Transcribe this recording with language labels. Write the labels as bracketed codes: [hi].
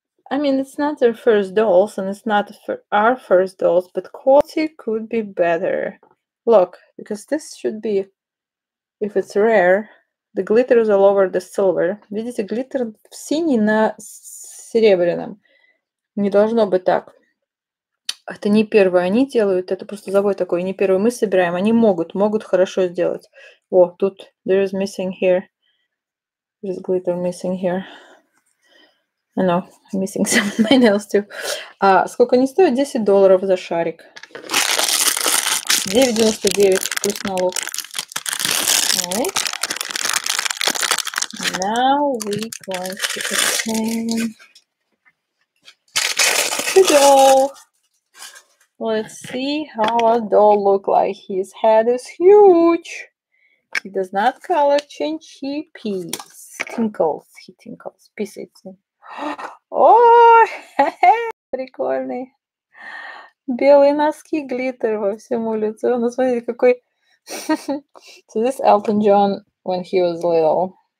[en] I mean, it's not their first dolls, and it's not for our first dolls, but quality could be better. Look, because this should be, if it's rare, the glitter is all over the silver. [ru] Видите, глиттер синий на серебряном. Не должно быть так. Это не первое они делают, это просто завод такой. Не первый мы собираем, они могут, могут хорошо сделать. О, тут, [en] there is missing here. There is glitter missing here. I know, I'm missing some of my nails too. [ru] А сколько они стоят? $10 за шарик. 9.99 плюс налог. [en] Alright. Now we going to open the doll. Let's see how a doll look like. His head is huge. He does not color change. He pees. Tinkles. He tinkles. Pisses. [ru] Ой, прикольный. Белые носки, глиттер во всему лицу. Ну, смотрите, какой. [en] So this Elton John when he was little.